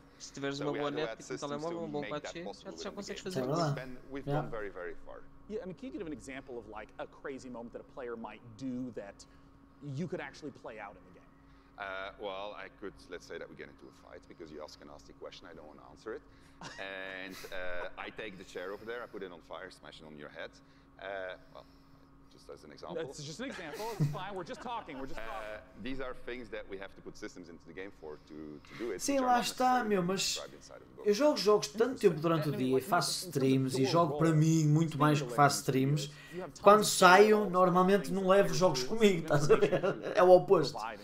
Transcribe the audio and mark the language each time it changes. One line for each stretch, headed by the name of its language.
Portuguese: se tiveres uma boa net com o telemóvel, um bom 4G, já consegues fazer isso. Lá.
English: Yeah, I mean, can you give an example of like a crazy moment that a player might do that you could actually play out in the game? Well, I could, let's say that we get into a fight because you ask a nasty question, I don't want to answer it. And I take the chair over there, I put it on fire, smash it on your head. Well, just as an example. It's just an example, it's fine, we're just talking. These are things that we have to put systems into the game for to do it.
Portuguese: Sim, lá está, meu, mas eu jogo jogos tanto tempo durante o dia, faço streams e jogo para mim muito mais do que faço streams. Quando saio, normalmente não levo jogos comigo, estás a ver? É o oposto.